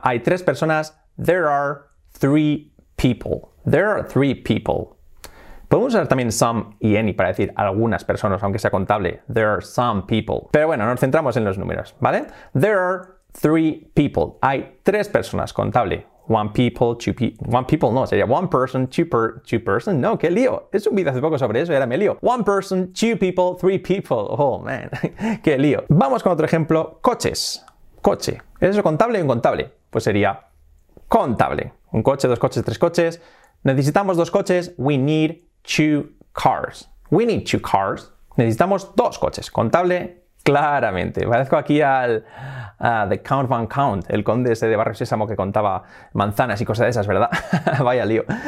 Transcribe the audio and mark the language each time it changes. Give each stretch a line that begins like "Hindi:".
Spanish: Hay tres personas,
English: there are three people. There are three people.
Spanish: Podemos usar también some y any para decir algunas personas, aunque sea contable.
English: There are some people.
Spanish: Pero bueno, nos centramos en los números, ¿vale?
English: There are three people.
Spanish: Hay tres personas, contable.
English: One people, two people. One people, no.
Spanish: Sería
English: one person, two person.
Spanish: No, qué lío. Es un vídeo hace poco sobre eso y ahora me lío.
English: One person, two people, three people. Oh, man.
Spanish: Qué lío. Vamos con otro ejemplo. Coches. Coche. ¿Es eso contable o incontable? Pues sería contable. Un coche, dos coches, tres coches. Necesitamos dos coches.
English: We need two cars. We need two cars.
Spanish: Necesitamos dos coches. Contable, claramente. Parezco aquí al The Count Van Count, el conde ese de Barrio Sésamo que contaba manzanas y cosas de esas, ¿verdad? Vaya lío.